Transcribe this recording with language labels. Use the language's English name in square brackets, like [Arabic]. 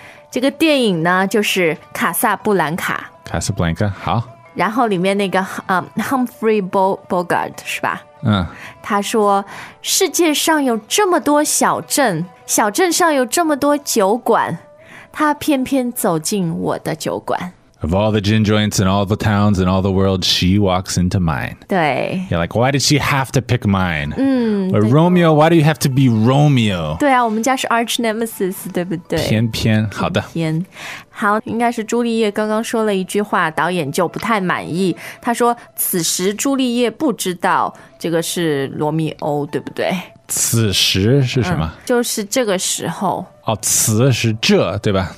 [Chinese] 这个电影呢，就是《卡萨布兰卡》。卡萨布兰卡，好。然后里面那个、Humphrey Bogart 是吧、嗯、他说世界上有这么多小镇，小镇上有这么多酒馆，他偏偏走进我的酒馆。 [English] Of all the gin joints in all the towns in all the world, she walks into mine. [Chinese] 对。 [English] You're like, why did she have to pick mine? 嗯。 Or Romeo, why do you have to be Romeo? [Chinese] 对啊，我们家是 [English] arch nemesis, [Chinese] 对不对？偏偏，好的。偏。好，应该是朱丽叶刚刚说了一句话，导演就不太满意。他说，此时朱丽叶不知道这个是罗密欧，对不对？此时是什么、嗯、就是这个时候。哦，此是这，对吧？